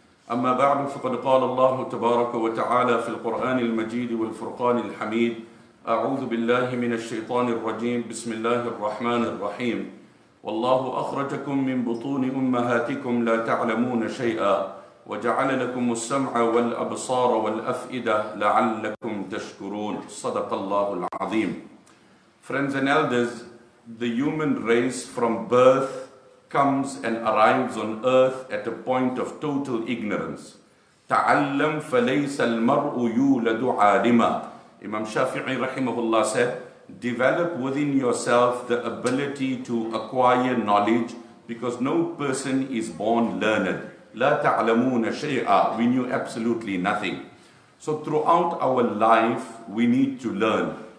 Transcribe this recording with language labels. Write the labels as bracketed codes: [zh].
[ar] أما بعد فقد قال الله تبارك وتعالى في القرآن المجيد والفرقان الحميد أعوذ بالله من الشيطان الرجيم بسم الله الرحمن الرحيم والله أخرجكم من بطون أمهاتكم لا تعلمون شيئا وجعل لكم السمع والأبصار والأفئدة لعلكم تشكرون صدق الله العظيم. [en] Friends and elders, the human race from birth comes and arrives on earth at a point of total ignorance. [ar] تعلم فليس المرء يولد عالما. [en] Imam Shafi'i rahimahullah said, develop within yourself the ability to acquire knowledge, because no person is born learned. [ar] لا تعلمون شيئا. [en] We knew absolutely nothing. So throughout our life, we need to learn.